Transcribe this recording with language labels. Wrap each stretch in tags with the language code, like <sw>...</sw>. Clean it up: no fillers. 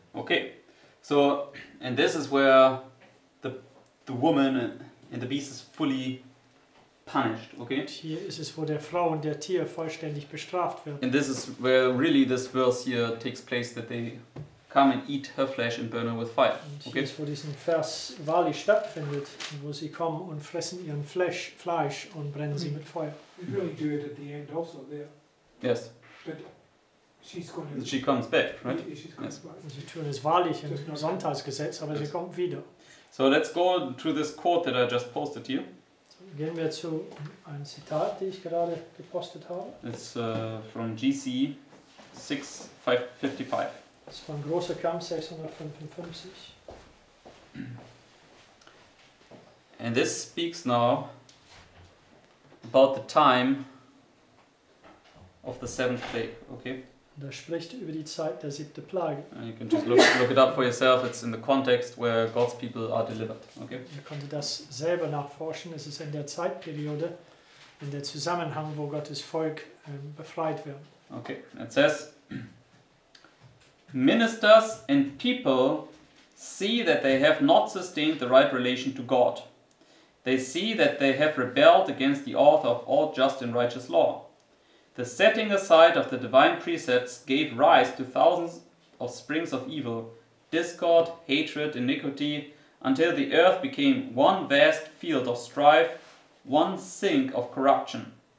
<en>Okay, so and this is where the woman and the beast is fully punished, okay?</en> <de>Und hier ist es, wo der Frau und der Tier vollständig bestraft wird.</de> <en>And this is where really this verse here takes place, that they come and eat her flesh and burn her with fire.</en> <de>Und hier ist, wo diesen Vers wahrlich stattfindet, wo sie kommen und fressen ihren Fleisch und brennen sie mit Feuer.</de> <en>You really do it at the end also there. Yes. But she's going to... She comes back, right? Yes.</en> <de>Und sie tun es wahrlich im Sonntagsgesetz, aber sie kommt wieder.</de> <en>So let's go to this quote that I just posted to you.</en> <de>Gehen wir zu einem Zitat, die ich gerade gepostet habe.</de> <en>It's from GC 655.</en> <de>Das ist von Großer Kamp 655.</de> <en>And this speaks now about the time of the seventh plague, okay?</en> <de>Und er spricht über die Zeit der siebte Plage.</de> <en>And you can just look it up for yourself. It's in the context where God's people are delivered. Okay?</en> <de>Ihr könnt das selber nachforschen. Es ist in der Zeitperiode, in der Zusammenhang, wo Gottes Volk befreit wird.</de> <en>Okay. It says, ministers and people see that they have not sustained the right relation to God. They see that they have rebelled against the author of all just and righteous law. The setting aside of the divine precepts gave rise to thousands of springs of evil, discord, hatred, iniquity, until the earth became one vast field of strife, one sink of corruption.</en>